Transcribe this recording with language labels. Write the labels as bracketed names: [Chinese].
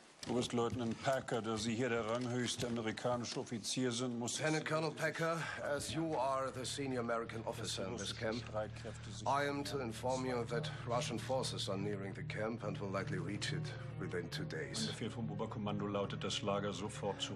[German] Lieutenant Packer, da Sie hier der ranghöchste amerikanische Offizier sind, muss ich... [English] Lieutenant Colonel Packer, as you are the senior American officer in this camp, I am to inform you that Russian forces are nearing the camp and will likely reach it within 2 days. [German] Mein Befehl vom Oberkommando lautet, das Lager sofort zu...